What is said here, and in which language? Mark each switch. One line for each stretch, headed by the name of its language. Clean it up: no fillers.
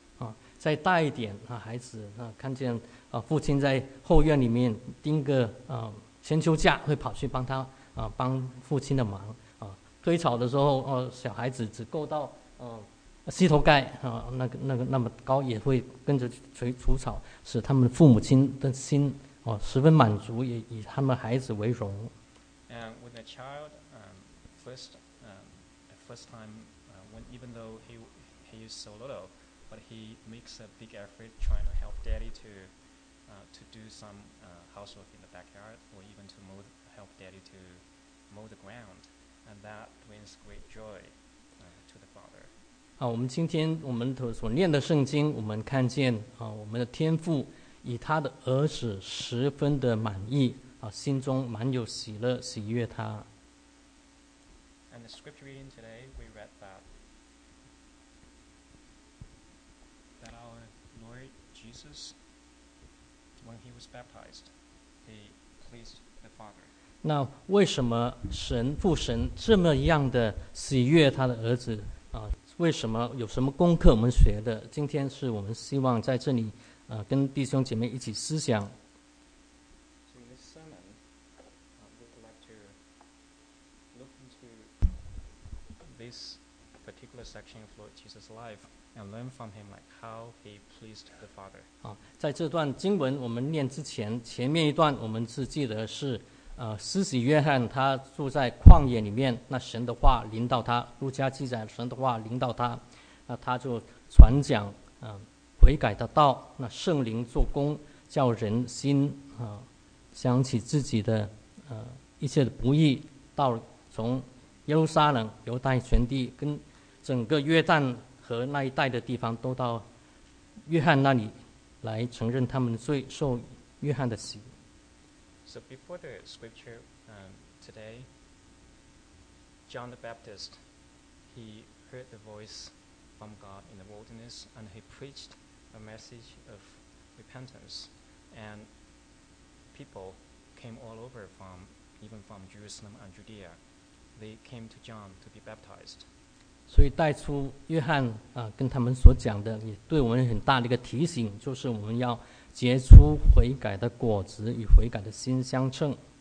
Chinese: 啊，再大一点，啊，孩子啊，看见啊，父亲在后院里面钉个啊千秋架，会跑去帮他。啊，帮父亲的忙啊！推草的时候，哦，小孩子只够到膝头盖啊，那个那么高，也会跟着锤除草，使他们父母亲的心哦，十分满足，也以他们孩子为荣。
English: And when a child, first time, even though he is so little, but he makes a big effort trying to help daddy to do some housework in the backyard, or even to move. Help daddy to mow the ground, and that brings great joy, to the father.
Chinese: 好，我们今天我们所念的圣经，我们看见啊，我们的天父以他的儿子十分的满意啊，心中满有喜乐，喜悦他。
English: And the scripture reading today, we read that our Lord Jesus, when he was baptized, he pleased the father.
Chinese: 那为什么神父神这么样的喜悦他的儿子啊？为什么有什么功课我们学的？今天是我们希望在这里，跟弟兄姐妹一起思想。
English: So in this sermon, we'd like to look into this particular section of Lord Jesus' life and learn from him, like how he pleased the Father.
Chinese: 啊，在这段经文我们念之前，前面一段我们是记得是。施洗约翰他住在旷野里面，那神的话临到他，路加记载神的话临到他，那他就传讲悔改的道，那圣灵做工，叫人心想起自己的一切的不义，到从耶路撒冷犹太全地跟整个约旦河那一带的地方都到约翰那里来承认他们的罪，受约翰的洗。
English: So before the scripture today, John the Baptist, he heard the voice from God in the wilderness and he preached a message of repentance. And people came all over from, even from Jerusalem and Judea. They came to John to be baptized.
Chinese: 所以带出约翰跟他们所讲的也对我们很大的一个提醒，就是我们要结出悔改的果子，与悔改的心相称。